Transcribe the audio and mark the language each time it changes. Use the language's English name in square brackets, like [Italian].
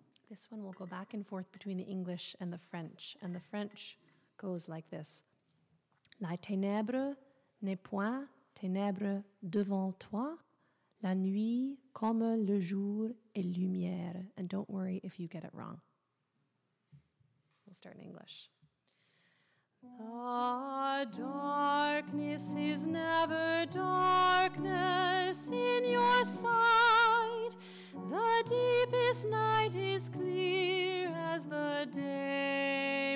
[English] This one will go back and forth between the English and the French, and the French goes like this. [French] La ténèbre n'est point ténèbre devant toi, la nuit comme le jour est lumière. [English] And don't worry if you get it wrong. We'll start in English. The darkness is never darkness in your sight. The deepest night is clear as the day.